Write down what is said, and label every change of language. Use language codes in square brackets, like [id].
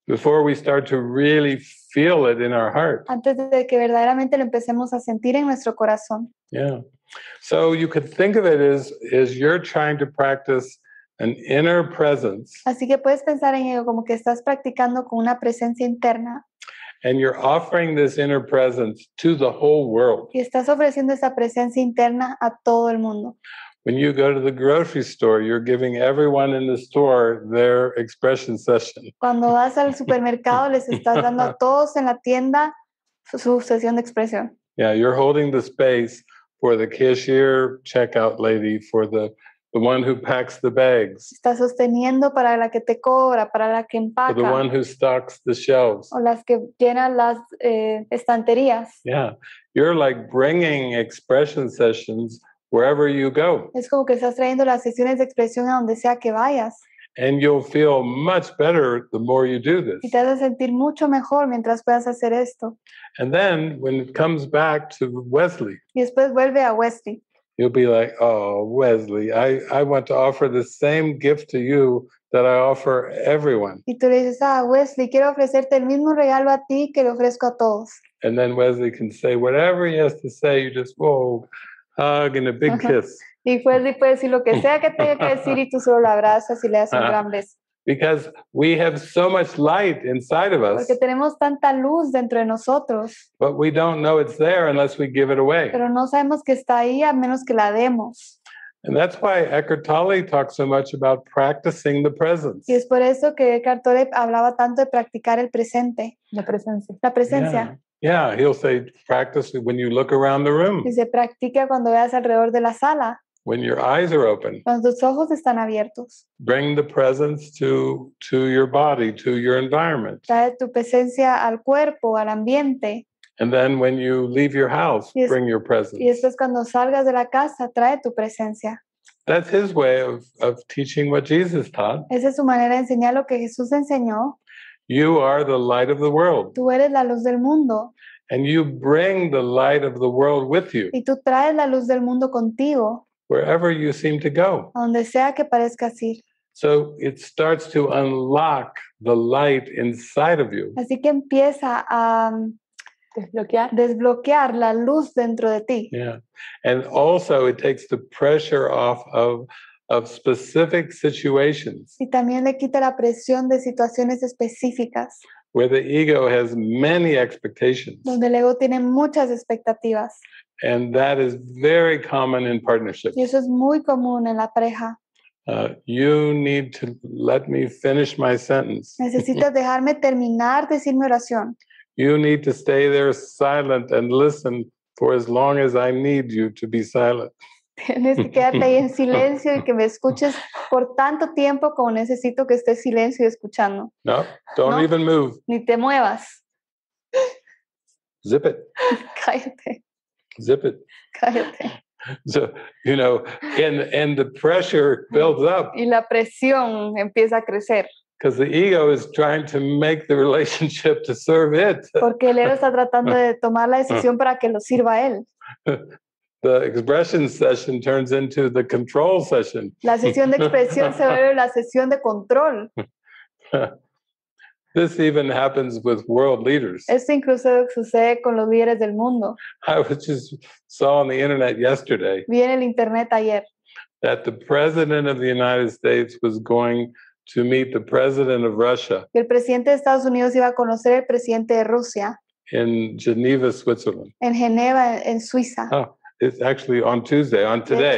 [en] Before we start to really feel it in our heart. [es] Antes de que verdaderamente lo empecemos a sentir en nuestro corazón. [en] Yeah. So you could think of it as you're trying to practice an inner presence. [es] Así que puedes pensar en ello como que estás practicando con una presencia interna. [en] And you're offering this inner presence to the whole world. [es] Y estás ofreciendo esa presencia interna a todo el mundo. [en] When you go to the grocery store, you're giving everyone in the store their expression session. [es] Cuando vas al supermercado, les estás dando a todos en la tienda su sesión de expresión. [en] Yeah, you're holding the space for the cashier, checkout lady, for the one who packs the bags. [es] Estás sosteniendo para la que te cobra, para la que empaca. [en] For the one who stocks the shelves. [es] O las que llenan las estanterías. [en] Yeah, you're like bringing expression sessions wherever you go. [es] Es como que estás trayendo las sesiones de expresión a donde sea que vayas. [en] And you'll feel much better the more you do this. [es] Y te vas a sentir mucho mejor mientras puedas hacer esto. [en] And then when it comes back to Wesley. [es] Y después vuelve a Wesley. [en] You'll be like, oh, Wesley, I want to offer the same gift to you that I offer everyone. [es] Y tú le dices, ah, Wesley, quiero ofrecerte el mismo regalo a ti que le ofrezco a todos. [en] And then Wesley can say whatever he has to say. You just, whoa, hug and a big kiss. [es] Y Wesley puede decir lo que sea que tenga que decir y tú solo lo abrazas y le das un gran beso. [en] Because we have so much light inside of us. [es] Porque tenemos tanta luz dentro de nosotros. [en] But we don't know it's there unless we give it away. [es] Pero no sabemos que está ahí a menos que la demos. [en] And that's why Eckhart Tolle talks so much about practicing the presence. [es] Y es por eso que Eckhart Tolle hablaba tanto de practicar el presente. La presencia. La presencia. [en] Yeah, he'll say practice when you look around the room. [es] Dice practica cuando veas alrededor de la sala. [en] When your eyes are open. [es] Cuando tus ojos están abiertos. [en] Bring the presence to your body, to your environment. [es] Trae tu presencia al cuerpo, al ambiente. [en] And then when you leave your house, bring your presence. [es] Y después cuando salgas de la casa, trae tu presencia. [en] That's his way of teaching what Jesus taught. [es] Esa es su manera de enseñar lo que Jesús enseñó. [en] You are the light of the world. [es] Tú eres la luz del mundo. [en] And you bring the light of the world with you. [es] Y tú traes la luz del mundo contigo. [en] Wherever you seem to go. [es] A donde sea que parezcas ir. [en] So it starts to unlock the light inside of you. [es] Así que empieza a desbloquear la luz dentro de ti. [en] Yeah. And also it takes the pressure off of specific situations. [es] Y también le quita la presión de situaciones específicas. [en] Where the ego has many expectations. [es] Donde el ego tiene muchas expectativas. [en] And that is very common in partnerships. [es] Y eso es muy común en la pareja. [en] You need to let me finish my sentence. [es] Necesitas dejarme terminar de decir mi oración. [en] You need to stay there silent and listen for as long as I need you to be silent. [es] Tienes que quedarte ahí en silencio y que me escuches por tanto tiempo como necesito que estés silencio y escuchando. [en] No, don't no, even move. [es] Ni te muevas. [en] Zip it. [es] Cállate. [en] Zip it. [es] Cállate. [en] So, you know, and the pressure builds up. [es] Y la presión empieza a crecer. [en] Because the ego is trying to make the relationship to serve it. [es] Porque el ego está tratando de tomar la decisión para que lo sirva a él. [en] The expression session turns into the control session. [es] La sesión de expresión se vuelve la sesión de control. [en] This even happens with world leaders. [es] Esto incluso sucede con los líderes del mundo. [en] I just saw on the internet yesterday. [es] Vi en el internet ayer. [en] That the president of the United States was going to meet the president of Russia. [es] Que el presidente de Estados Unidos iba a conocer al presidente de Rusia. [en] In Geneva, Switzerland. [es] En Geneva, en Suiza. [en] Oh. It's actually on Tuesday, on today.